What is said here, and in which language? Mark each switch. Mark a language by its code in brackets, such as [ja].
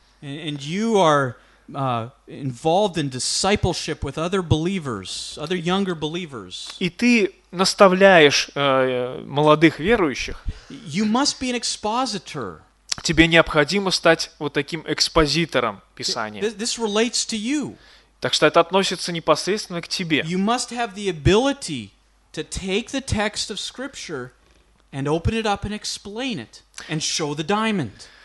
[en] and you are involved in discipleship with other believers, other younger believers, [ru] и ты наставляешь молодых верующих, [en] you must be an expositor. [ru] Тебе необходимо стать вот таким экспозитором Писания. [en] This relates to you. [ru] Так что это относится непосредственно к тебе. [en] You must have the ability to take the text of Scripture and open it up and explain it and show the diamond.